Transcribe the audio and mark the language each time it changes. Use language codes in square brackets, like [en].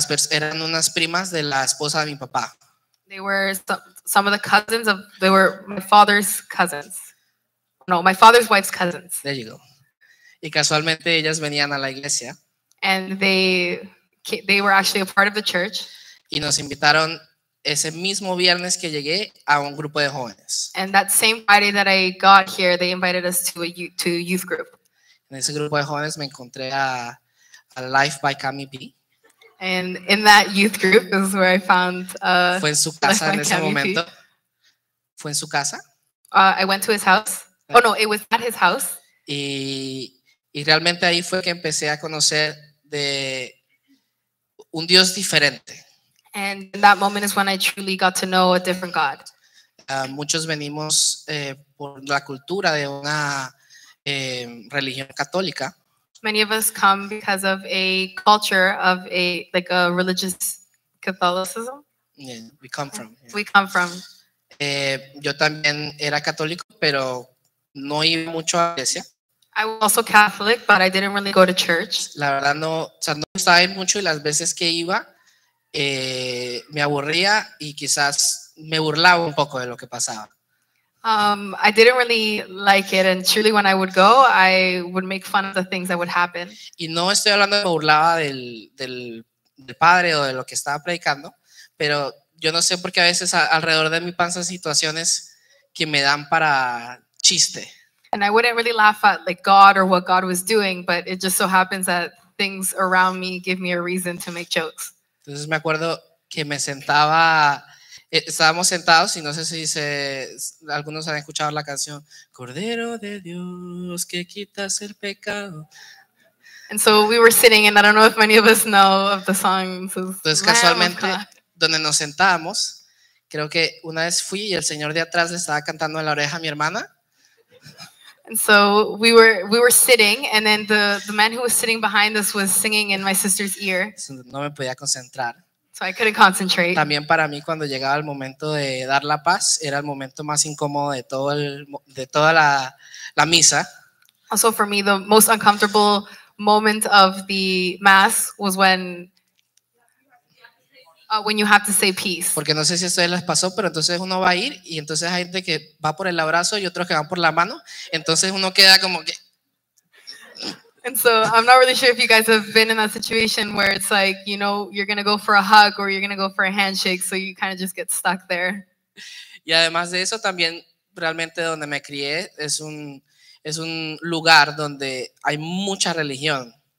[es] Eran unas primas de la esposa de mi papá. [en] They were some of the cousins of, they were my father's cousins. No, my father's wife's cousins. There you go. [es] Y casualmente ellas venían a la iglesia. [en] And they were actually a part of the church. [es] Y nos invitaron ese mismo viernes que llegué a un grupo de jóvenes. [en] And that same Friday that I got here, they invited us to a youth group. [es] En ese grupo de jóvenes me encontré a Life by Cami B. [en] And in that youth group is where I found [es] fue en su casa en ese momento. Fue en su casa. [en] I went to his house. Oh no, it was at his house. [es] Y realmente ahí fue que empecé a conocer de un Dios diferente. [en] And in that moment is when I truly got to know a different God. [es] Muchos venimos por la cultura de una religión católica. [en] Many of us come because of a culture of a, like a religious Catholicism. Yeah, we come from. Yeah. We come from. [es] Yo también era católico, pero no iba mucho a la iglesia. [en] I was also Catholic, but I didn't really go to church. [es] La verdad no, o sea, no estaba ahí mucho y las veces que iba, me aburría y quizás me burlaba un poco de lo que pasaba. [en] I didn't really like it, and truly when I would go, I would make fun of the things that would happen. [es] Y no estoy hablando de burlaba del padre o de lo que estaba predicando, pero yo no sé por qué a veces alrededor de mi panza situaciones que me dan para chiste. [en] And I wouldn't really laugh at like God or what God was doing, but it just so happens that things around me give me a reason to make jokes. [es] Entonces me acuerdo que me sentaba. Estábamos sentados y no sé si algunos han escuchado la canción Cordero de Dios que quitas el pecado. [en] And so we were sitting and I don't know if many of us know of the song. [es] Entonces casualmente donde nos sentábamos, creo que una vez fui y el señor de atrás le estaba cantando en la oreja a mi hermana. [en] And so we were sitting and then the man who was sitting behind us was singing in my sister's ear. [es] No me podía concentrar. [en] So I couldn't concentrate. [es] También para mí cuando llegaba el momento de dar la paz era el momento más incómodo de todo de toda la misa. [en] Also for me the most uncomfortable moment of the mass was when you have to say peace. [es] Porque no sé si a ustedes les pasó, pero entonces uno va a ir y entonces hay gente que va por el abrazo y otros que van por la mano, entonces uno queda como que. [en] And so I'm not really sure if you guys have been in that situation where it's like, you know, you're going to go for a hug or you're going to go for a handshake, so you kind of just get stuck there. [es] Y además de eso, también realmente donde me crié es un lugar donde hay mucha religión.